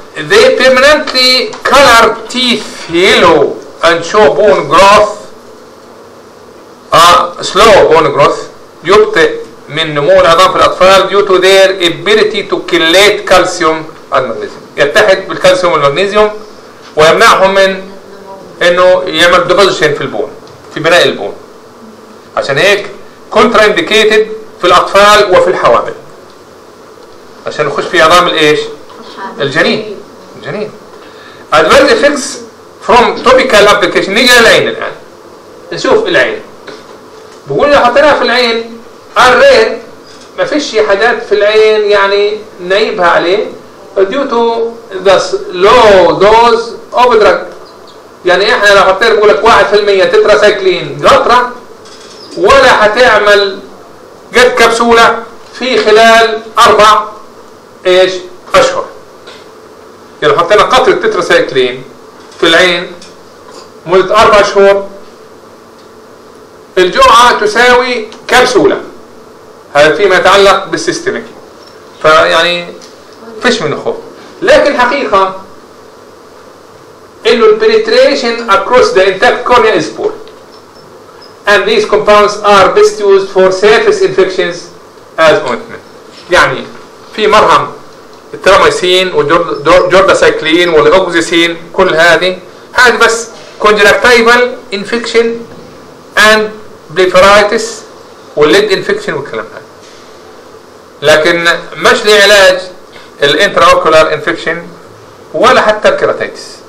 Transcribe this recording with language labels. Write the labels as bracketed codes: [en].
[en] They permanently color teeth yellow and show bone growth slow bone growth، [ar] يبطئ من نمو العظام في الأطفال [en] due to their ability to chelate calcium and magnesium، [ar] يتحد بالكالسيوم والمغنيسيوم ويمنعهم من انه يعمل [en] deposition [ar] في البون، في بناء البون. عشان هيك contraindicated في الأطفال وفي الحوامل عشان يخش في عظام الايش الجنين. [en] Adverse effects from topical application. [ar] نيجي للعين الآن، نشوف العين. بقول لو حطيناها في العين الرين ما فيش حاجات في العين يعني نعيبها عليه [en] due to the low dose of drug. [ar] يعني احنا لو حطينا بقول لك 1% تتراسايكلين قطرة ولا حتعمل قد كبسولة في خلال 4 ايش اشهر. يعني حطينا قطرة تتراسايكلين في العين مدة 4 شهور، الجرعة تساوي كبسولة. هذا فيما يتعلق بالسيستميك، فيعني فيش منه خوف. لكن حقيقة إنه البنتريشن [en] across the intact cornea is poor and these compounds are best used for surface infections as ointment. [ar] يعني في مرهم التراميسين والجوردسايكلين والأوكسيسين، كل هذه بس [en] conjunctival infection and blepharitis [ar] والليد infection والكلام هذا، لكن مش لعلاج الانتراوكولار انفكشن ولا حتى الكيراتيتس.